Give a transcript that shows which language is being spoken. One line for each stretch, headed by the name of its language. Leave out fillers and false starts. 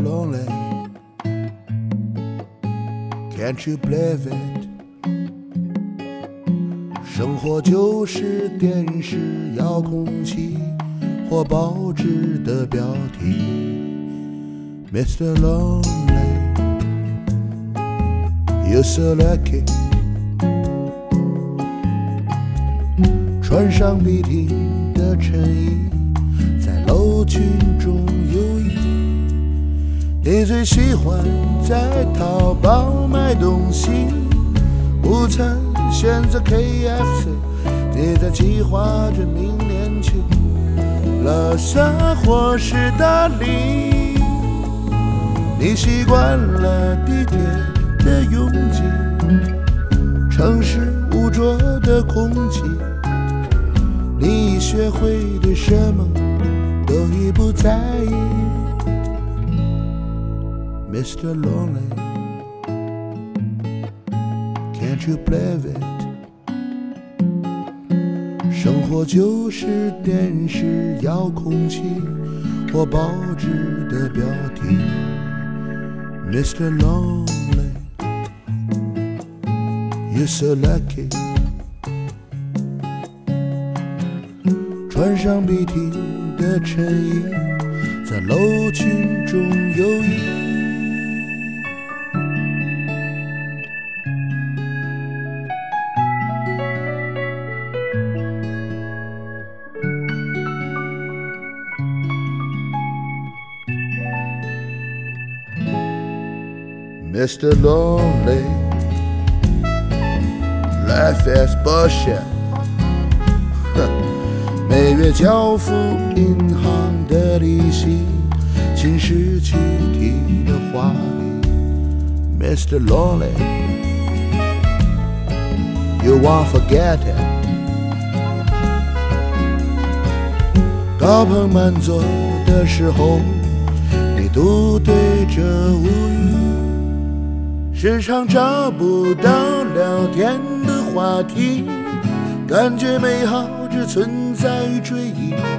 English: Lonely, can't you believe it?
Chinese: 生活就是电视遥控器或报纸的标题。
English: Mr. Lonely, you're so lucky.
Chinese: 穿上笔挺的衬衣，在楼群中游移。你最喜欢在淘宝买东西，午餐选择 KFC。你在计划着明年去拉萨或是大理。你习惯了地铁的拥挤，城市污浊的空气，你已学会对什么都已不在意。
English: Mr. Lonely, can't you believe it?
Chinese: 生活就是电视遥控器或报纸的标题。
English: Mr. Lonely, you're so lucky.
Chinese: 穿上笔挺的衬衣，在楼群中游移。
English: Mr. Lonely, life is bullshit.
Chinese: 每月交付银行的利息，侵蚀具体的话语。
English: Mr. Lonely, you won't forget it.
Chinese: 高朋满座的时候，你独对着无语。时常找不到聊天的话题，感觉美好只存在于追忆。